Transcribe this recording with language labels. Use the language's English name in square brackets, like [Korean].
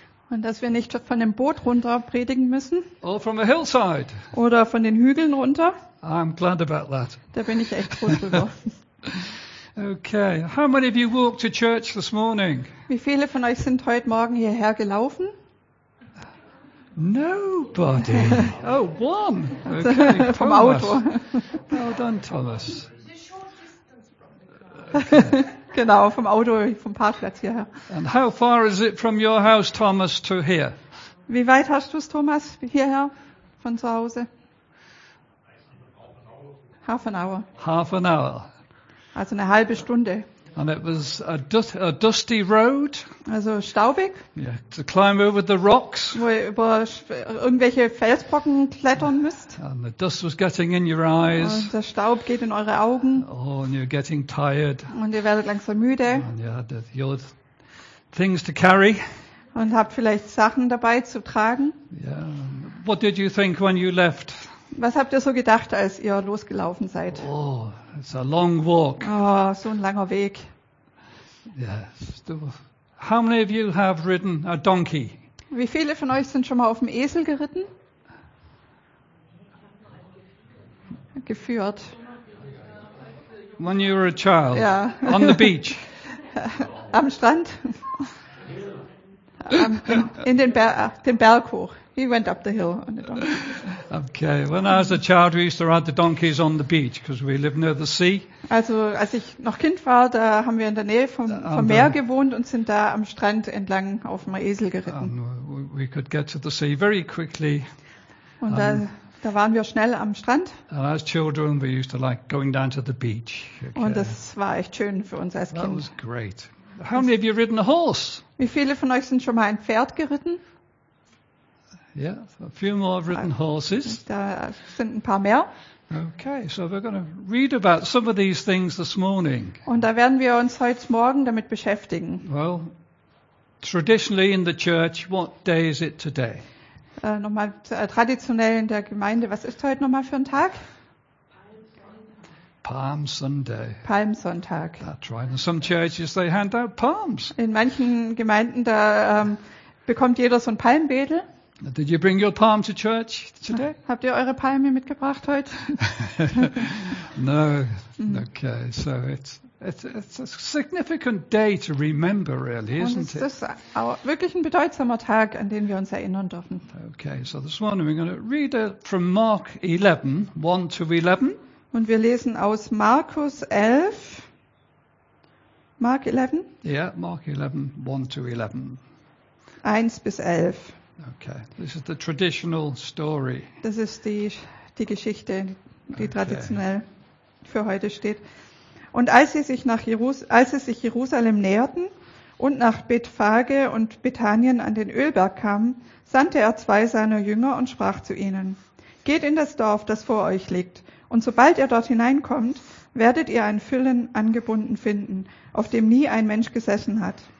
[German] Und dass wir nicht von dem Boot runter predigen müssen. [English] Or from a hillside. [German] Oder von den Hügeln runter. [English] I'm glad about that. [German] Da bin ich echt froh drüber. [English] Okay, how many of you walked to church this morning? [German] Wie viele von euch sind heute Morgen hierher gelaufen? [English] Nobody. Oh, one. Okay, [German] vom Auto. [English] Well done, Thomas. [German] Genau, vom Auto, vom Parkplatz hierher. [English] And how far is it from your house, Thomas, to here? [German] Wie weit hast du es, Thomas, hierher von zu Hause? [English] Half an hour. Half an hour. [German] Also eine halbe Stunde. [English] And it was a dusty road. [German] Also staubig. [English] Yeah, to climb over the rocks. [German] Wo ihr über irgendwelche Felsbrocken klettern müsst. [English] And the dust was getting in your eyes. [German] Und der Staub geht in eure Augen. [English] Oh, and you're getting tired. [German] Und ihr werdet langsam müde. [English] And you had your things to carry. [German] Und habt vielleicht Sachen dabei zu tragen. [English] Yeah. What did you think when you left? [German] Was habt ihr so gedacht, als ihr losgelaufen seid? [English] Oh, it's a long walk. [German] Oh, so ein langer Weg. [English] Yes. How many of you have ridden a donkey? [German] Wie viele von euch sind schon mal auf dem Esel geritten? Geführt. [English] When you were a child. [German] Ja. [English] On the beach. [German] Am Strand. In den Berg hoch. [English] He went up the hill on a donkey. Okay. When I was a child, we used to ride the donkeys on the beach because we lived near the sea. [German] Also, als ich noch Kind war, da haben wir in der Nähe vom Meer gewohnt und sind da am Strand entlang auf dem Esel geritten. [English] We could get to the sea very quickly. [German] Und da waren wir schnell am Strand. [English] And as children, we used to like going down to the beach. Okay. [German] Und das war echt schön für uns als Kind. [English] That was great. How many of you ridden a horse? [German] Wie viele von euch sind schon mal ein Pferd geritten? [English] Yeah, a few more have ridden horses. [German] Da sind ein paar mehr. [English] Okay, so we're going to read about some of these things this morning. [German] Und da werden wir uns heute Morgen damit beschäftigen. [English] Well, traditionally in the church, what day is it today? [German] Nochmal traditionell in der Gemeinde, was ist heute nochmal für ein Tag? [English] Palm Sunday. [German] Palmsonntag. [English] That's right. In some churches they hand out palms. [German] In manchen Gemeinden da bekommt jeder so ein Palmbedel. [English] Did you bring your palm to church today? [German] Habt ihr eure Palme mitgebracht heute? [English] No. Okay. So it's a significant day to remember, really, isn't it? [German] Das ist wirklich ein bedeutsamer Tag, an den wir uns erinnern dürfen. [English] Okay. So this morning we're going to read from Mark 11, 1 to 11. [German] Und wir lesen aus Markus 11. [English] Mark 11? Yeah, Mark 11, 1 to 11. [German] 1 bis 11. [English] Okay, this is the traditional story. [German] Das ist die Geschichte, die traditionell für heute steht. Und als sie sich Jerusalem näherten und nach Bethphage und Bethanien an den Ölberg kamen, sandte er zwei seiner Jünger und sprach zu ihnen: Geht in das Dorf, das vor euch liegt, und sobald ihr dort hineinkommt, werdet ihr ein Füllen angebunden finden, auf dem nie ein Mensch gesessen hat.